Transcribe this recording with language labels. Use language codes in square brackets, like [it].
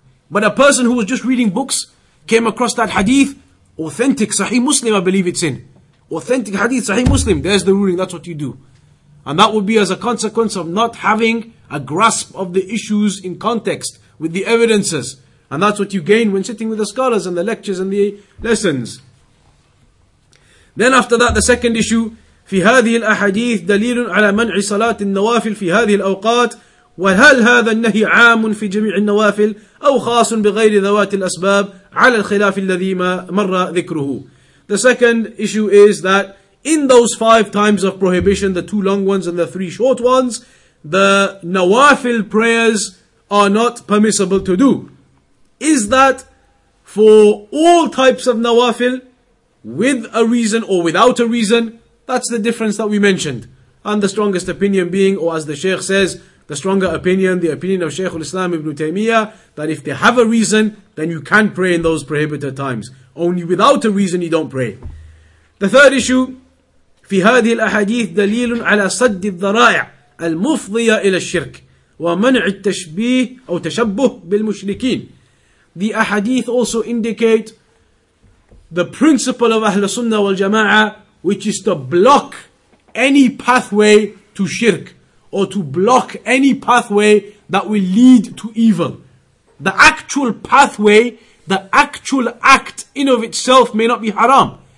[en] But a person who was just reading books came across that hadith, authentic, Sahih Muslim, I believe it's in. Authentic hadith, Sahih Muslim, there's the ruling, that's what you do. And that would be as a consequence of not having a grasp of the issues in context with the evidences. And that's what you gain when sitting with the scholars and the lectures and the lessons. Then after that, the second issue, [ar] في هذه الأحاديث دليل على منع صلاة النوافل في هذه الأوقات وهل هذا النهي عام في جميع النوافل أو خاص بغير ذوات الأسباب على الخلاف الذي مر ذكره. [en] The second issue is that in those five times of prohibition, the two long ones and the three short ones, the Nawafil prayers are not permissible to do. Is that for all types of Nawafil, with a reason or without a reason? That's the difference that we mentioned. And the strongest opinion being, or as the Shaykh says, the stronger opinion, the opinion of Shaykh al-Islam ibn Taymiyyah, that if they have a reason, then you can pray in those prohibited times. Only without a reason you don't pray. The third issue, [ar] في هذه الأحاديث دليل على سد الذرائع المفضية إلى الشرك ومنع التشبيه أو تشبه بالمشركين. [en] The ahadith also indicate the principle of Ahl Sunnah wal Jama'ah, which is to block any pathway to shirk, or to block any pathway that will lead to evil. The actual pathway, the actual act in of itself may not be haram.